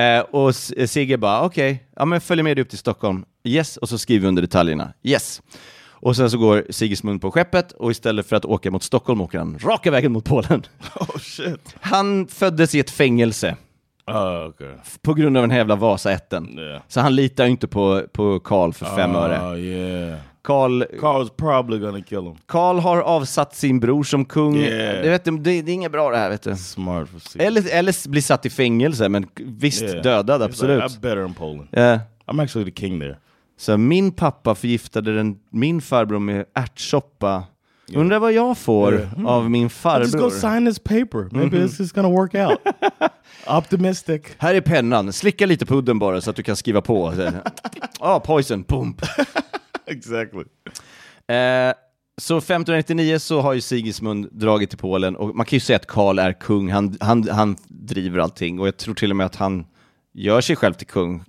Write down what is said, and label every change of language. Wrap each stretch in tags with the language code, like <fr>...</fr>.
<sv>Och Sigge bara, okej, ja, men följ med dig upp till Stockholm. Yes, och så skriver vi under detaljerna. Yes. Och sen så går Sigismund på skeppet och istället för att åka mot Stockholm åker han raka vägen mot Polen.</sv> <en>Oh shit.</en> <sv>Han föddes i ett fängelse. På grund av en jävla Vasaätten.</sv> <en>Yeah.</en> <sv>Så han litar ju inte på Karl för fem öre.</sv> <en>Karl's probably gonna kill him.</en> <sv>Karl har avsatt sin bror som kung.</sv> <en>Yeah.</en> <sv>Det är inget bra det här, vet du.</sv> <en>Smart for Sigismund.</en> <sv>Eller blir satt i fängelse, men visst dödad, absolut.</sv> <en>Like, I'm better in Poland. Yeah. I'm actually the king there.</en> <sv>Så min pappa förgiftade min farbror med ärtsoppa. Yeah. Undrar vad jag får av min farbror.</sv> <en>I'll just go sign this paper. Maybe this is gonna work out. Optimistic.</en> <sv>Här är pennan. Slicka lite på udden bara så att du kan skriva på.</sv> <en>poison. Boom. Exactly.</en> <sv>Så 1599 så har ju Sigismund dragit till Polen. Och man kan ju säga att Karl är kung. Han driver allting. Och jag tror till och med att han gör sig själv till kung.</sv>